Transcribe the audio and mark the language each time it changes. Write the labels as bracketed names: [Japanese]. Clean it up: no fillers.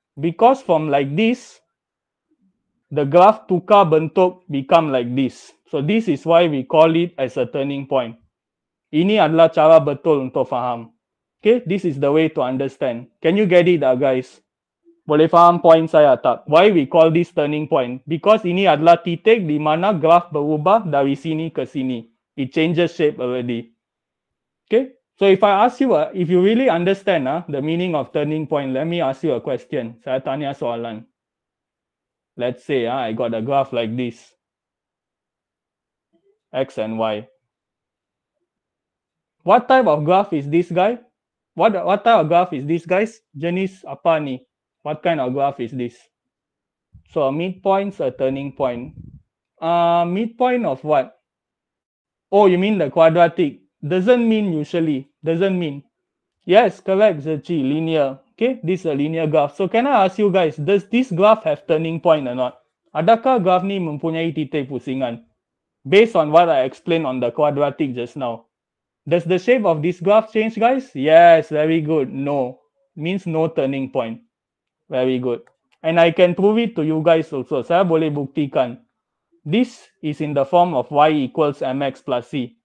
[English] Because from like this, the graph [Malay] tukar bentuk [English] become like this. So this is why we call it as a turning point. [Malay] Ini adalah cara betul untuk faham. [English] Okay, this is the way to understand. Can you get it, guys? [Malay] Boleh faham poin saya tak? [English] Why we call this turning point? [Malay] Because ini adalah titik di mana graf berubah dari sini ke sini. [English] It changes shape already. Okay? So if I ask you, if you really understand the meaning of turning point, let me ask you a question. [Malay] Saya tanya soalan. [English] Let's say I got a graph like this. X and Y. What type of graph is this guy? What type of graph is this guys? [Malay] Jenis apa ni? [English] What kind of graph is this? So a midpoint, a turning point. Midpoint of what? Oh, you mean the quadratic? Doesn't mean usually. Doesn't mean. Yes, correct, Zachi. Linear. Okay, this is a linear graph. So can I ask you guys, does this graph have turning point or not? [Malay] Adakah graph ni mempunyai titik pusingan? [English] Based on what I explained on the quadratic just now. Does the shape of this graph change, guys? Yes, very good. No. Means no turning point. Very good. And I can prove it to you guys also. [Malay] Saya boleh buktikan. [English] This is in the form of y equals mx plus c.